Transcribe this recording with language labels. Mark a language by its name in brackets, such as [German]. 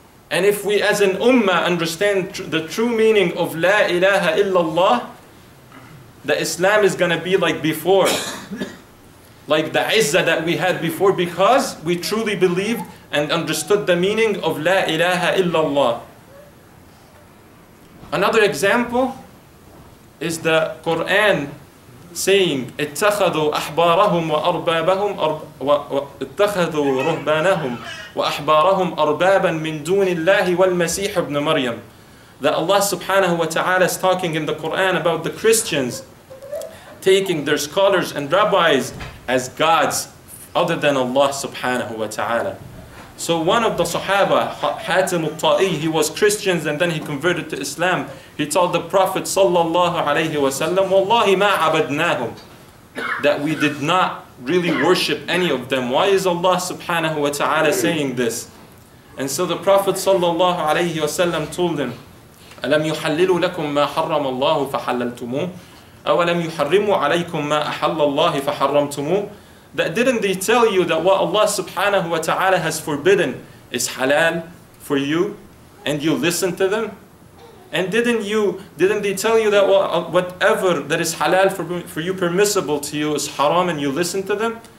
[English] And if we as an ummah understand the true meaning of La ilaha illallah, the Islam is going to be like before. Like the izzah that we had before, because we truly believed and understood the meaning of La ilaha illallah. Another example is the Quran saying, [Arabic] اتخذوا أحبارهم وأربابهم اتخذوا رهبانهم وأحبارهم أربابا من دون الله والمسيح ابن مريم. [English] That Allah subhanahu wa ta'ala is talking in the Quran about the Christians taking their scholars and rabbis as gods other than Allah subhanahu wa ta'ala. So one of the Sahaba, Hatim al-Ta'i, he was Christians and then he converted to Islam. He told the Prophet sallallahu alayhi wa sallam, [Arabic] Wallahi ma abadnahum, [English] that we did not really worship any of them. Why is Allah subhanahu wa ta'ala saying this? And so the Prophet sallallahu alayhi wa sallam told him, [Arabic] أَلَمْ يُحَلِّلُ لَكُمْ مَا حَرَّمَ اللَّهُ فَحَلَّلْتُمُوهُ أَوَلَمْ يُحَرِّمُوا عَلَيْكُمْ مَا أَحَلَّ اللَّهِ فَحَرَّمْتُمُوهُ. [English] That didn't they tell you that what Allah subhanahu wa ta'ala has forbidden is halal for you, and you listen to them? And didn't they tell you that whatever that is halal for you, permissible to you, is haram, and you listen to them?